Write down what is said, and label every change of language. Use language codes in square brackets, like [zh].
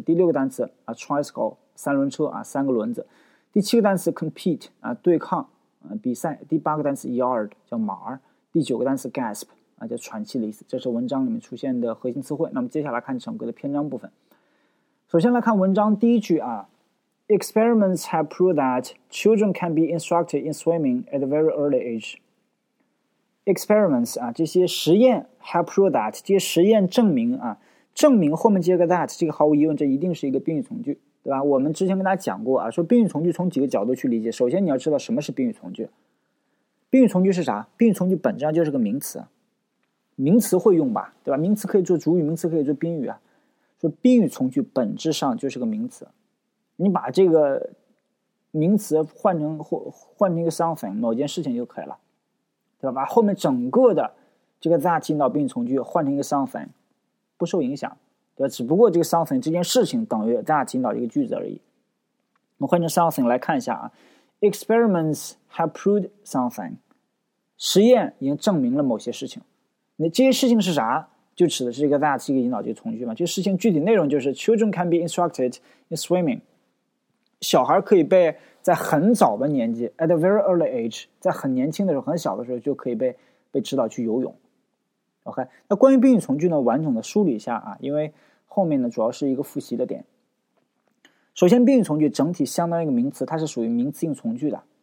[zh] 第六个单词啊 tricycle， 三轮车啊，三个轮子。第七个单词 compete 啊，对抗，比赛。第八个单词 yard 叫马儿。第九个单词 gasp 啊，叫喘气的意思。这是文章里面出现的核心词汇。那么接下来看整个的篇章部分。首先来看文章第一句啊。 [en] Experiments have proved that children can be instructed in swimming at a very early age. [zh] Experiments 啊，这些实验 [en] have proved that [zh] 这些实验证明啊，证明后面接个 that， 这个毫无疑问，这一定是一个宾语从句，对吧？我们之前跟大家讲过啊，说宾语从句从几个角度去理解。首先你要知道什么是宾语从句。宾语从句是啥？宾语从句本质上就是个名词，名词会用吧，对吧？名词可以做主语，名词可以做宾语啊。说宾语从句本质上就是个名词。你把这个名词换成一个 something 某件事情就可以了，对吧？把后面整个的这个 that 引导宾语从句换成一个 something， 不受影响，对吧？只不过这个 something 这件事情等于 that 引导一个句子而已。我们换成 something 来看一下啊 ， [en] experiments have proved something， [zh] 实验已经证明了某些事情。那这些事情是啥？就指的是一个 that 一个引导这个从句嘛？这事情具体内容就是 [en] children can be instructed in swimming。 [zh] 小孩可以被在很早的年纪 [en] at a very early age， [zh] 在很年轻的时候，很小的时候就可以被指导去游泳。 OK， 那关于宾语从句呢，完整的梳理一下啊，因为后面呢主要是一个复习的点。首先宾语从句整体相当于一个名词，它是属于名词性从句的。